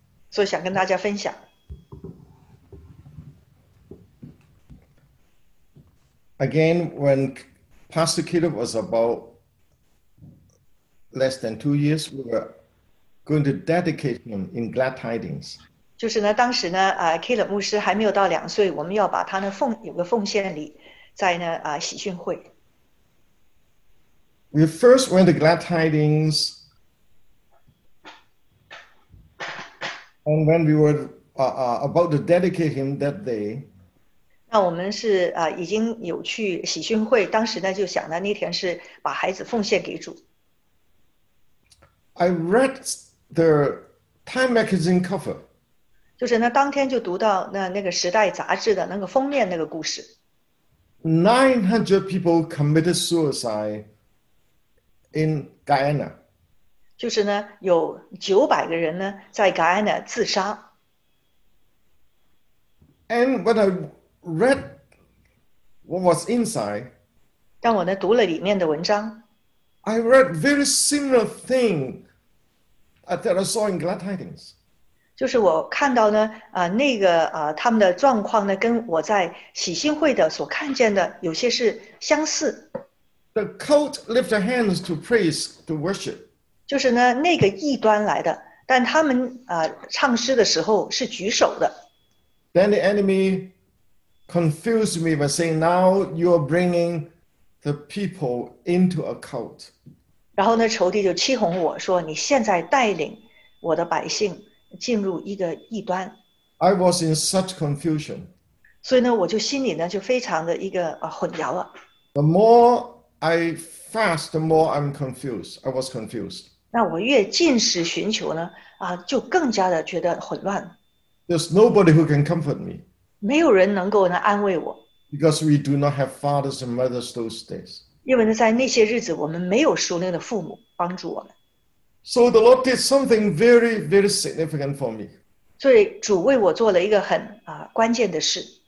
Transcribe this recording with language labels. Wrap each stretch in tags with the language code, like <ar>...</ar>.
<zh>所以想跟大家分享。</zh> <en>Again, when Pastor Caleb was about less than 2 years, we were going to dedicate him in Glad Tidings.</en> <zh>就是呢, 当时呢, Caleb 牧师还没有到两岁, 我们要把他呢奉, 有个奉献礼, 在呢, 喜讯会。</zh> <en>We first went to Glad Tidings, and when we were about to dedicate him that day,</en> <zh>那我们是, 已经有去喜讯会, 当时呢, 就想呢, 那天是把孩子奉献给主。</zh> <en>I read the Time Magazine cover.</en> <zh>就是呢, 当天就读到, 那个时代杂志的那个封面, 那个故事。</zh> <en>900 people committed suicide in Guyana.</en> <zh>就是呢, 有900个人呢, 在Guyana自杀。</zh> <en>And when I read what was inside,</en> <zh>当我呢, 读了里面的文章,</zh> <en>I read very similar thing that I saw in Glad Tidings.</en> <zh>就是我看到呢, 那个, 他们的状况呢, 跟我在喜信会的所看见的有些是相似。</zh> <en>The cult lift their hands to praise, to worship.</en> <zh>就是呢, 那个异端来的, 但他们, 唱诗的时候是举手的。</zh> <en>Then the enemy confused me by saying, now you are bringing the people into a cult.</en> <zh>然后呢, 仇敌就欺哄我说, 你现在带领我的百姓进入一个异端。</zh> <en>I was in such confusion.</en> <zh>所以呢, 我就心里呢, 就非常的一个, 混淆了。</zh> <en>The more I fast, the more I'm confused. I was confused.</en> <zh>那我越进食寻求呢, 啊, 就更加的觉得混乱。</zh> <en>There's nobody who can comfort me.</en> <zh>没有人能够呢, 安慰我。</zh> <en>Because we do not have fathers and mothers those days.</en> <zh>因为呢,在那些日子, 我们没有熟练的父母, 帮助我们。</zh> <en>So the Lord did something very, very significant for me.</en> <zh>所以主为我做了一个很, 啊, 关键的事。</zh>